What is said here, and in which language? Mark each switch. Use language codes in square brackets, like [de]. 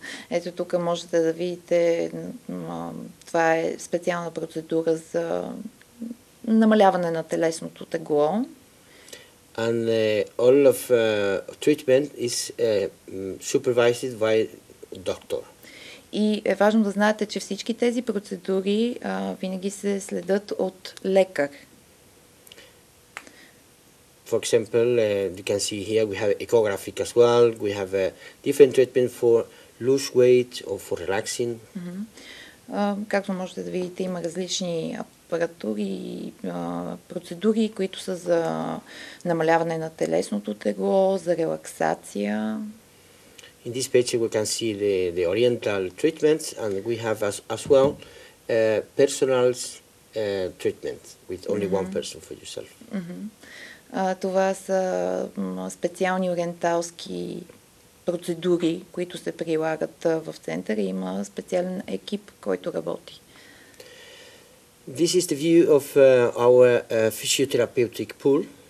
[bg] Ето тук можете да видите, това е специална процедура за намаляване на телесното тегло. [en] And all of treatment is supervised by doctor. [bg] И е важно да знаете, че всички тези процедури винаги се следят от лекар. [en] For example, you can see here we have echographic as well. We have different treatment for loose weight or for relaxing. [bg] Както можете да видите, има различни апаратури и процедури, които са за намаляване на телесното тегло, за релаксация. [en] In this picture we can see the oriental treatments and we have as well personal treatments with only one person for yourself. [bg] Това са специални ориенталски процедури, които се прилагат в центъра. Има специален екип, който работи. [en] This is the view of our physiotherapeutic pool.